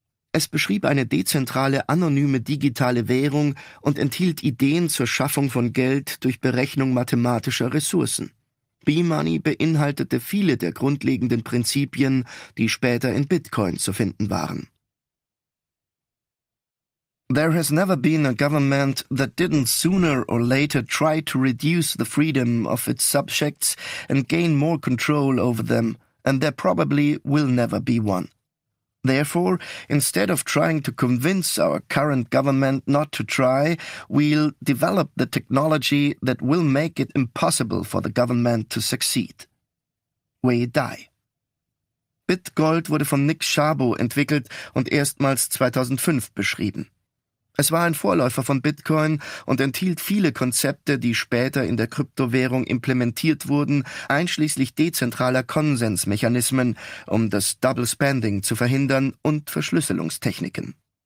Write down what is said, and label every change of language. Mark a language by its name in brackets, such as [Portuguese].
[German] Es beschrieb eine dezentrale, anonyme digitale Währung und enthielt Ideen zur Schaffung von Geld durch Berechnung mathematischer Ressourcen. B-Money beinhaltete viele der grundlegenden Prinzipien, die später in Bitcoin zu finden waren. [English] There has never been a government that didn't sooner or later try to reduce the freedom of its subjects and gain more control over them, and there probably will never be one. Therefore, instead of trying to convince our current government not to try, we'll develop the technology that will make it impossible for the government to succeed. Wei Dai. [German] BitGold wurde von Nick Szabo entwickelt und erstmals 2005 beschrieben. Es war ein Vorläufer von Bitcoin und enthielt viele Konzepte, die später in der Kryptowährung implementiert wurden, einschließlich dezentraler Konsensmechanismen, um das Double Spending zu verhindern und Verschlüsselungstechniken.